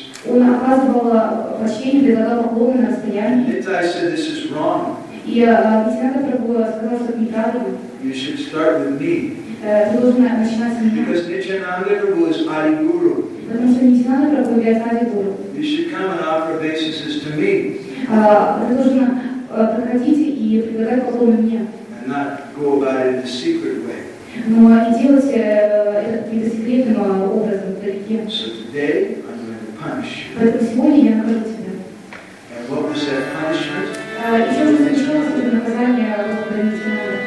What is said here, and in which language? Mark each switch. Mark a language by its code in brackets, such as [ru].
[ru] Он оказывал почтение, предлагал поклоны на расстоянии. [en] Nittai said, this is wrong. [ru] И Нитянанда Прабху сказал, что это неправильно. [en] You should start with me. [ru] Ты должен начинать с меня. [en] Because Nityananda Prabhu is Adi Guru. [ru] Потому что Нитянанда Прабху является Ади Гуру. [en] You should come and offer obeisances to me. [ru] Ты должен подходить и предлагать поклоны мне. [en] Not go about it in a secret way. [ru] Но не делать это секретным образом, дорогие. [en] So today I'm going to punish you. [ru] Поэтому сегодня я накажу тебя. [en] And what was that punishment? [ru] Еще раз отвечалось это наказание Господа Нитянанды.